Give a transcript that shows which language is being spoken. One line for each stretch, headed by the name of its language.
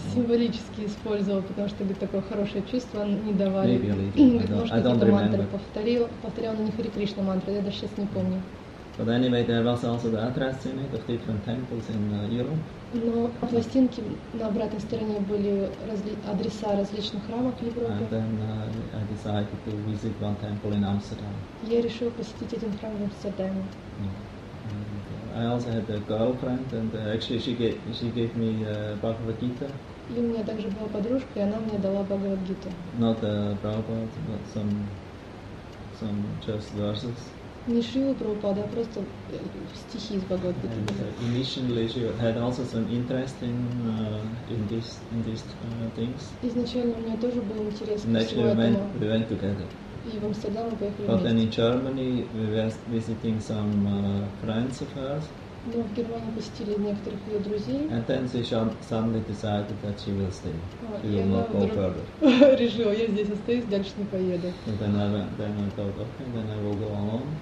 Russian: Символически использовал, потому что говорит, такое хорошее чувство не давали.
English: Maybe a little. I don't remember.
Russian: Повторял на них Hare Krishna мантры, я даже сейчас не помню.
English: But anyway, there was also the address in it of different temples in Europe.
Russian: Но пластинки на обратной стороне были адреса различных храмов в Европе.
English: And then I decided to visit one temple in Amsterdam.
Russian: Я решил посетить один храм в Амстердаме.
English: I also had a girlfriend, and actually she gave me Bhagavad Gita.
Russian: И у меня также была подружка, и она мне дала Бхагавад Гиту.
English: Not Prabhupada, but some just verses.
Russian: Не Шрилу Прабхупада, а просто стихи из Бхагавад Гиты.
English: Initially, she had also some interest in these things.
Russian: Изначально у меня тоже был интерес к этому.
English: Actually, we went together.
Russian: И в Амстердам мы поехали вместе.
English: But then in Germany, we were visiting some friends of hers.
Russian: Ну, в Германии посетили некоторых ее друзей.
English: And then she suddenly decided that she will stay. She will not go further.
Russian: Решила, я здесь остаюсь, дальше не поеду.
English: And then I thought, okay, then I will go alone.